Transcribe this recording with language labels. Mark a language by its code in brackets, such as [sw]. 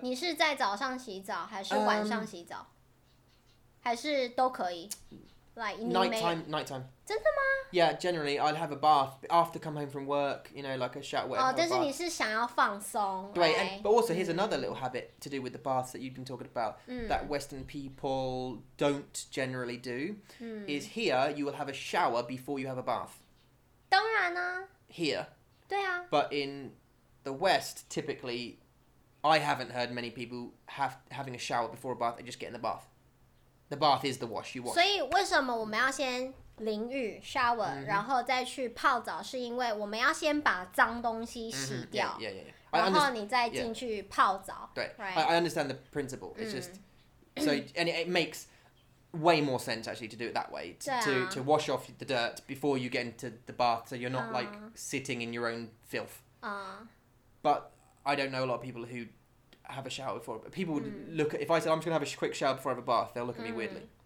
[zh] 你是在早上洗澡还是晚上洗澡? 还是都可以?Like, [en] Nighttime. [zh] 真的吗? [en] Yeah, generally, I'd have a bath after come home from work, you know, like a shower, whatever. [zh] Oh, 但是你是想要放松, [en] right? Right. And, but also, here's another little habit to do with the baths that you've been talking about that Western people don't generally do, is here, you will have a shower before you have a bath. [zh] 当然啊。 [en] Here. [zh] 对啊。 [en] But in the West, typically, I haven't heard many people having a shower before a bath, they just get in the bath. The bath is the wash, you wash. [zh] 所以为什么我们要先淋浴 shower, 然后再去泡澡，是因为我们要先把脏东西洗掉，然后你再进去泡澡。对 [en] right? I understand the principle. It's just, so, and it makes way more sense actually to do it that way, to wash off the dirt before you get into the bath, so you're not like sitting in your own filth. But I don't know a lot of people who have a shower before, but people would look at, if I said I'm just gonna have a quick shower before I have a bath, they'll look at me weirdly.